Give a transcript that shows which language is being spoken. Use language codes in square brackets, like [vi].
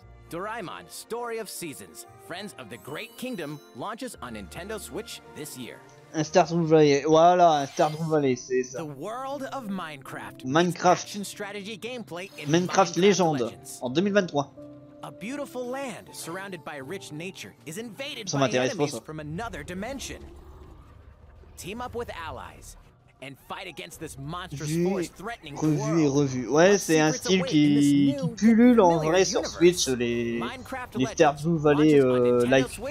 [en] Doraemon, Story of Seasons, Friends of the Great Kingdom launches on Nintendo Switch this year. [fr] Un Stardew Valley, voilà, un Stardew Valley, c'est ça. [en] The world of Minecraft. Minecraft. Minecraft légende Minecraft Legends. [fr] En 2023. [en] A beautiful land surrounded by rich nature is invaded by enemies from another dimension. Team up with allies and fight against this monstrous force threatening the world. [fr] Revu et revu. Ouais, c'est un style qui pullule en vrai sur Switch, les Stardew Valley like.